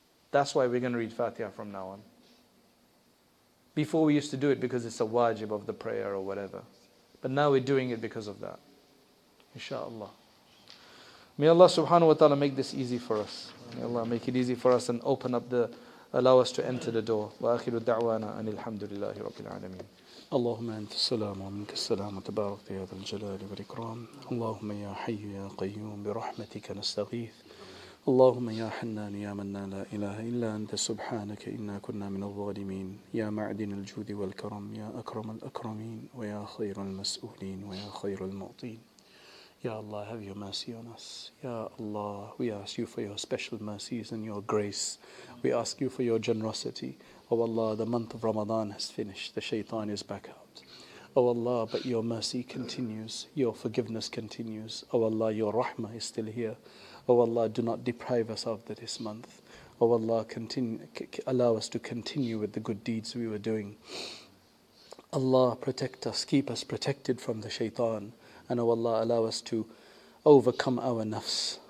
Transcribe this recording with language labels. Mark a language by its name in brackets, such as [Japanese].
[English] That's why we're going to read Fatiha from now on. Before we used to do it because it's a wajib of the prayer or whatever. But now we're doing it because of that. Inshallah. May Allah subhanahu wa ta'ala make this easy for us. May Allah make it easy for us and open up the, allow us to enter the door. [Arabic] Wa akhiru da'wana and alhamdulillahi rabbil alameen. اللهم أنت السلام ومنك السلام تبارك يا ذا الجلال والإكرام اللهم يا حي يا قيوم برحمتك نستغيث اللهم يا حنان يا منان لا إله إلا أنت سبحانك إنا كنا من الظالمين يا معدن الجود والكرم يا أكرم الأكرمين ويا خير المسؤولين ويا خير المعطين يا الله [English] have your mercy on us [Arabic] يا الله [English] we ask you for your special mercies and your grace we ask you for your generosity Oh Allah, the month of Ramadan has finished. The shaitan is back out. Oh Allah, but your mercy continues. Your forgiveness continues. Oh Allah, your rahmah is still here. Oh Allah, do not deprive us of this month. Oh Allah, allow us to continue with the good deeds we were doing. Allah, protect us. Keep us protected from the shaitan. And oh Allah, allow us to overcome our nafs.